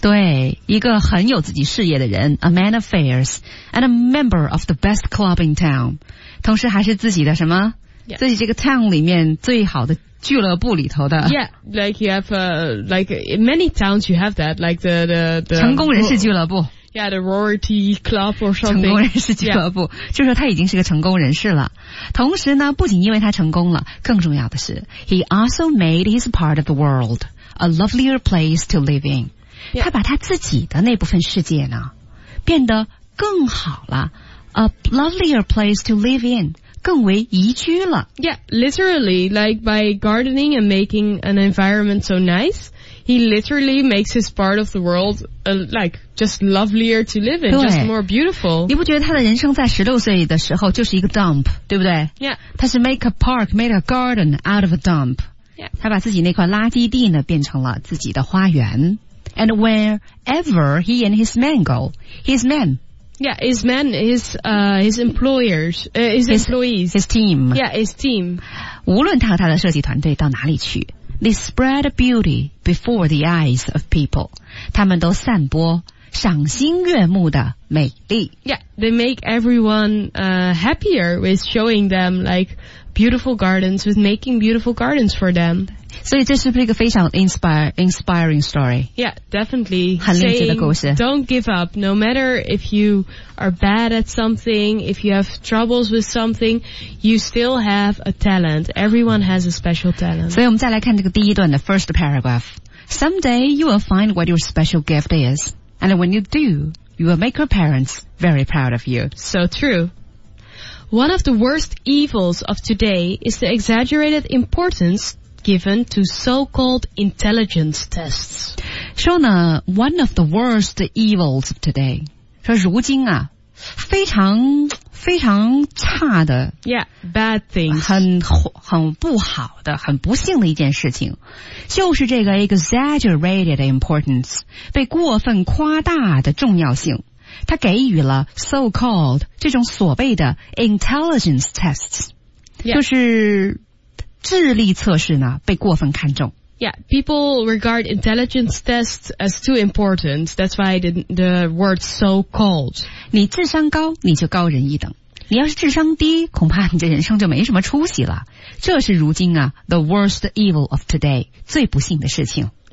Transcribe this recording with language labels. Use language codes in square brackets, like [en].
[zh] 对，一个很有自己事业的人 [en] ,a man of affairs, and a member of the best club in town. [zh] 同时还是自己的什么、 [en] yes. [zh] 自己这个 town 里面最好的俱乐部里头的。 [en] Yeah, like you have, in many towns you have that, like the [zh] 成功人士俱乐部。 [en] Yeah, the royalty club or something. [zh] 成功人士俱乐部、 [en] yeah. [zh] 就是他已经是个成功人士了。同时呢不仅因为他成功了更重要的是 [en] he also made his part of the world a lovelier place to live in.、 Yeah. [zh] 他把他自己的那部分世界呢变得更好了 [en] a lovelier place to live in, [zh] 更为宜居了。 [en] Yeah, literally, like by gardening and making an environment so nice,He literally makes his part of the world, like, just lovelier to live in, just more beautiful. [zh] 你不觉得他的人生在16岁的时候就是一个 [en] dump, [zh] 对不对 [en] Yeah. [zh] 他是 [en] make a park, made a garden out of a dump. Yeah. [zh] 他把自己那块垃圾地呢变成了自己的花园。 [en] And wherever he and his men go, his men. Yeah, his men, his employers, his employees. His team. Yeah, his team. [zh] 无论他和他的设计团队到哪里去。 [en] They spread beauty before the eyes of people. [zh] 他们都散播赏心悦目的美丽。 [en] Yeah, they make everyone, happier with showing them, like, beautiful gardens, with making beautiful gardens for them. [zh] 所以这是不是一个非常 [en] inspiring story? Yeah, definitely. [zh] 很励志的故事。 [en] Don't give up. No matter if you are bad at something, if you have troubles with something, you still have a talent. Everyone has a special talent. [zh] 所以我们再来看这个第一段的 [en] first paragraph. Someday you will find what your special gift is. And when you do, you will make your parents very proud of you. So true. One of the worst evils of today is the exaggerated importance given to so-called intelligence tests. [zh] 说呢 [en] one of the worst evils of today. [zh] 说如今啊非常非常差的 [en] Yeah, bad things. [zh] 很不好的很不幸的一件事情就是这个 [en] exaggerated importance [zh] 被过分夸大的重要性它给予了 so-called 这种所谓的 [en] intelligence tests、 yeah. [zh] 就是智力测试呢被过分看重 [en] Yeah, people regard intelligence tests as too important That's why the word so-called [zh] 你智商高你就高人一等你要是智商低恐怕你这人生就没什么出息了这是如今啊 [en] the worst evil of today [zh] 最不幸的事情